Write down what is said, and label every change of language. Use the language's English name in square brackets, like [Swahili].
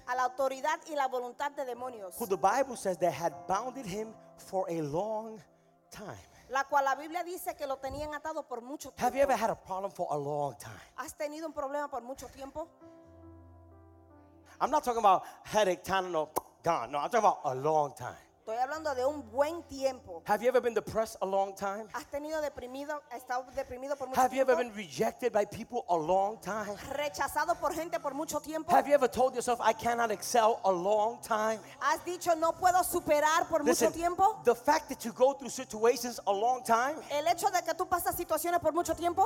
[Spanish] A la autoridad y la voluntad de demonios. [English] Who the Bible says they had bounded him for a long time. [Spanish] La cual la Biblia dice que lo tenían atado por mucho tiempo. [English] Have you ever had a problem for a long time? [Spanish] ¿Has tenido un problema por mucho tiempo? [English] I'm not talking about headache, Tylenol, gone. No, I'm talking about a long time. [Spanish] Estoy hablando de un buen tiempo. [English] Have you ever been depressed a long time? [Spanish] ¿Has tenido deprimido, estado deprimido por mucho [English] Have [Spanish] tiempo? [English] You ever been rejected by people a long time? [Spanish] ¿Rechazado por gente por mucho tiempo? [English] Have you ever told yourself, I cannot excel a long time? [Spanish] ¿Has dicho, no puedo superar por [English] Listen, [Spanish] mucho tiempo? [English] The fact that you go through situations a long time, [Spanish] el hecho de que tú pasas situaciones por mucho tiempo,